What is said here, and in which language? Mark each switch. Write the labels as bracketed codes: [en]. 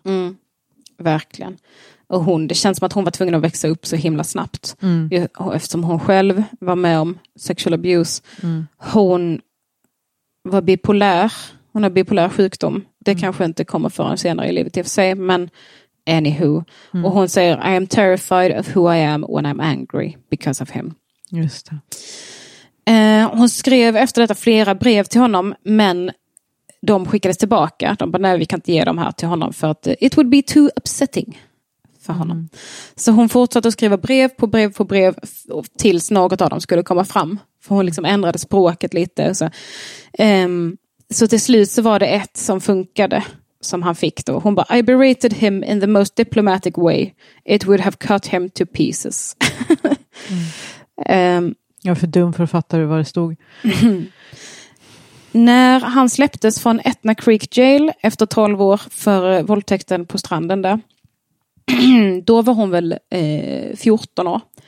[sv] Mm, verkligen. Och hon, det känns som att hon var tvungen att växa upp så himla snabbt. Mm. Eftersom hon själv var med om sexual abuse. Mm. Hon var bipolär. Hon har bipolär sjukdom. Det kanske inte kommer förrän senare i livet i och för sig. Men anywho. Mm. Och hon säger, [en] I am terrified of who I am when I'm angry because of him. [sv] Just det. Hon skrev efter detta flera brev till honom, men de skickades tillbaka. De bara, nej, vi kan inte ge dem här till honom för att [en] it would be too upsetting [sv] för honom. Mm. Så hon fortsatte att skriva brev på brev på brev tills något av dem skulle komma fram. För hon liksom ändrade språket lite. Så till slut så var det ett som funkade som han fick då. Hon bara, [en] I berated him in the most diplomatic way. It would have cut him to pieces. [sv] Jag är för dum för att fatta vad det stod. När han släpptes från Etna Creek Jail efter 12 år för våldtäkten på stranden där, då var hon väl 14 år.